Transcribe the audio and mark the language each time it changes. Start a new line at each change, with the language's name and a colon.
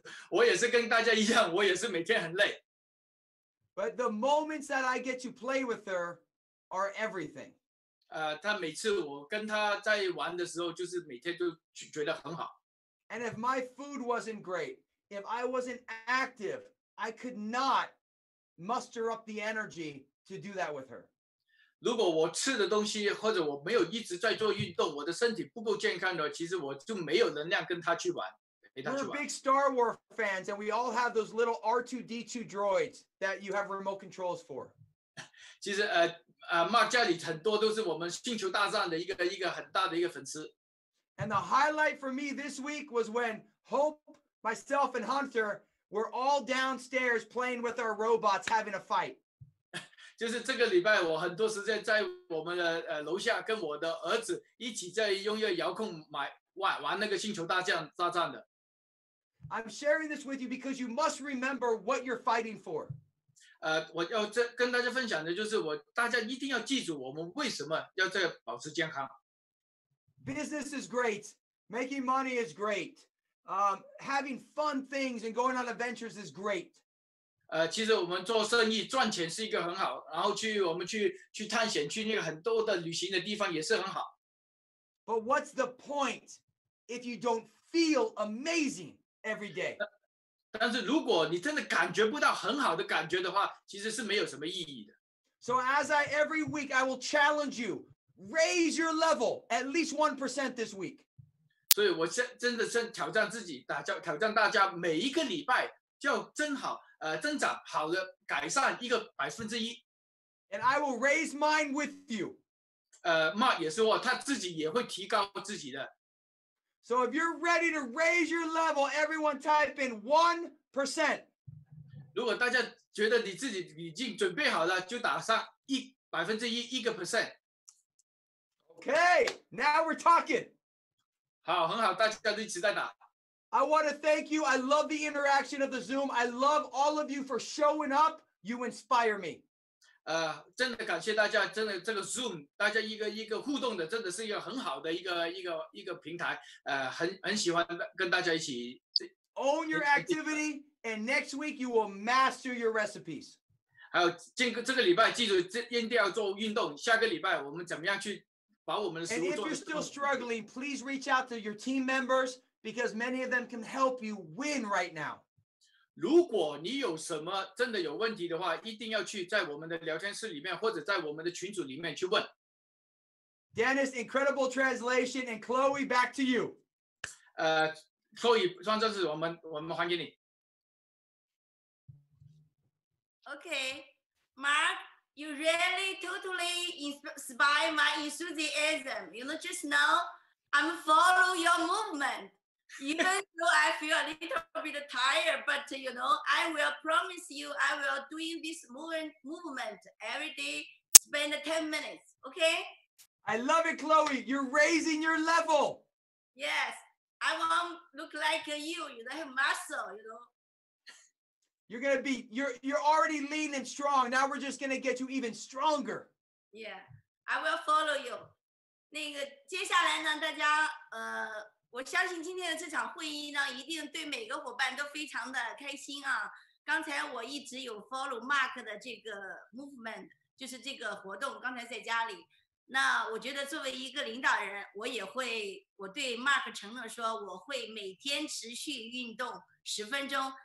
Chinese: 我也是跟大家一样我也是每天很累。
English: But the moments that I get to play with her are everything.
Chinese: 她每次我跟她在玩的时候就是每天都觉得很好。
English: And if my food wasn't great, if I wasn't active, I could not muster up the energy to do that with her.
Chinese: 如果我吃的东西或者我没有一直在做运动，我的身体不够健康的，其实我就没有能量跟他去玩，陪他去玩。
English: We're big Star Wars fans, and we all have those little R2-D2 droids that you have remote controls for.
Chinese: 其实Mark 家里很多都是我们星球大战的一个很大的一个粉丝。
English: And the highlight for me this week was when Hope, myself, and Hunter. We're all downstairs playing with our robots, having a fight.
Chinese: 就是这个礼拜，我很多时间在我们的楼下跟我的儿子一起在用一个遥控玩那个星球大战的。
English: I'm sharing this with you because you must remember what you're fighting for.
Chinese: 我要跟大家分享的就是大家一定要记住我们为什么要在保持健康。
English: Business is great, making money is great. Having fun things and going on adventures is great.
Chinese: 其实我们做生意赚钱是一个很好，然后我们去探险，去那个很多的旅行的地方也是很好。
English: But what's the point if you don't feel amazing every day?
Chinese: 但是如果你真的感觉不到很好的感觉的话，其实是没有什么意义的。
English: So as I every week, I will challenge you, raise your level at least 1% this week.
Chinese: 所以我真的是挑战自己挑战大家每一个礼拜就增长好的改善一个1%。
English: And I will raise mine with you.
Chinese: Mark 也说他自己也会提高自己的。
English: So if you're ready to raise your level, everyone type in 1%.
Chinese: 如果大家觉得你自己已经准备好了就打上1%一个 percent。
English: Okay, now we're talking.
Chinese: 好，很好，大家都一起在打。
English: I want to thank you. I love the interaction of the Zoom. I love all of you for showing up. You inspire me.
Chinese: 真的感谢大家，真的这个 Zoom， 大家一个互动的，真的是一个很好的一个平台。很喜欢跟大家一起。
English: Own your activity, and next week you will master your recipes.
Chinese: 还有这个礼拜，记住一定要做运动。下个礼拜我们怎么样去？
English: And if you're still struggling, please reach out to your team members because many of them can help you win right now.
Chinese: 如果你有什么真的有问题的话，一定要去在我们的聊天室里面或者在我们的群组里面去问。
English: Dennis, incredible translation, and Chloe, back to you.
Chinese: Chloe 双钻是我们还给你。
English: Okay, Mark, you really totally inspire my enthusiasm. You know, just now, I'm follow your movement. Even though I feel a little bit tired, but you know, I will promise you, I will doing this movement every day. Spend 10 minutes, okay? I love it, Chloe. You're raising your level. Yes, I want look like you. You know, have muscle, you know. You're gonna be, you're already lean and strong. Now we're just gonna get you even stronger. Yeah, I will follow you.
Chinese: 那个接下来呢，大家我相信今天的这场会议呢，一定对每个伙伴都非常的开心啊。刚才我一直有 follow Mark 的这个 movement， 就是这个活动。刚才在家里，那我觉得作为一个领导人，我也会，我对 Mark 承诺说，我会每天持续运动十分钟。